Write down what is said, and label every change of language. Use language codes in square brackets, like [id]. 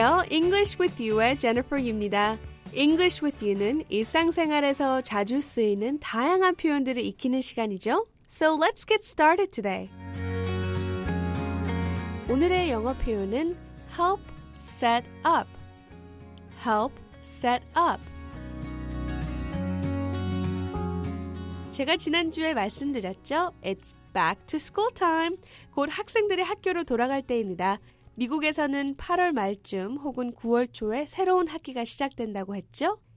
[ko] English with you의 Jennifer입니다. English with you는 일상생활에서 자주 쓰이는 다양한 표현들을 익히는 시간이죠. [en] So let's get started today. [ko] 오늘의 영어 표현은 [en] help set up. Help set up. [ko] 제가 지난주에 말씀드렸죠? [en] It's back to school time. [ko] 곧 학생들의 학교로 돌아갈 때입니다. 미국에서는 8월 말쯤 혹은 9월 초에 새로운 학기가 시작된다고 했죠?